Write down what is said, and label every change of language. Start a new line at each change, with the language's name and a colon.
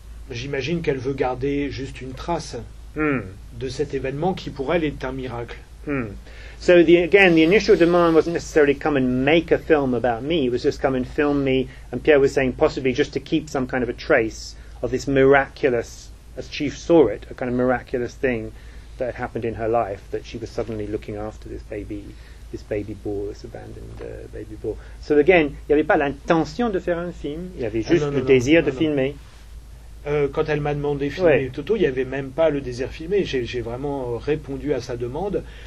French: J'imagine qu'elle veut garder juste une trace de cet événement qui pour elle est un miracle.
English: So the initial demand wasn't necessarily come and make a film about me, it was just come and film me, and Pierre was saying possibly just to keep some kind of a trace of this miraculous, as Chief saw it, a kind of miraculous thing that had happened in her life, that she was suddenly looking after this abandoned baby boar. So again,
French: il n'y avait pas l'intention de faire un film, il y avait juste le désir de filmer. Quand elle m'a demandé filmer ouais. Toto, il n'y avait même pas le désir filmé. J'ai vraiment répondu à sa demande.